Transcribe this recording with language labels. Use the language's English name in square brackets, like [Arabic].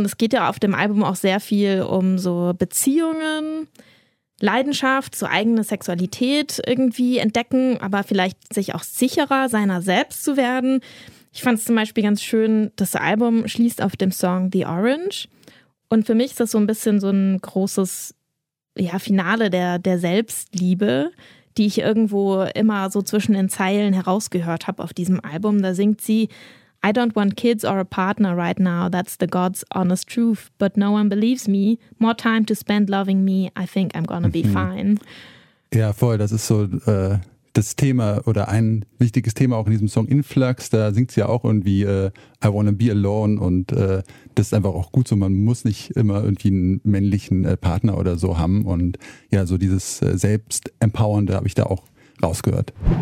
[German] Und es geht ja auf dem Album auch sehr viel um so Beziehungen, Leidenschaft, so eigene Sexualität irgendwie entdecken, aber vielleicht sich auch sicherer seiner selbst zu werden. Ich fand es zum Beispiel ganz schön, das Album schließt auf dem Song The Orange. Und für mich ist das so ein bisschen so ein großes ja, Finale der Selbstliebe, die ich irgendwo immer so zwischen den Zeilen herausgehört habe auf diesem Album. [English] Da singt sie, I don't want kids or a partner right now, that's the God's honest truth, but no one believes me, more time to spend loving me, I think I'm gonna be fine. [German] Ja, voll, das ist so das Thema oder ein wichtiges Thema auch in diesem Song Influx, da singt sie ja auch irgendwie [English] I wanna be alone [German] und das ist einfach auch gut so, man muss nicht immer irgendwie einen männlichen Partner oder so haben und ja, so dieses Selbstempowernde habe ich da auch rausgehört.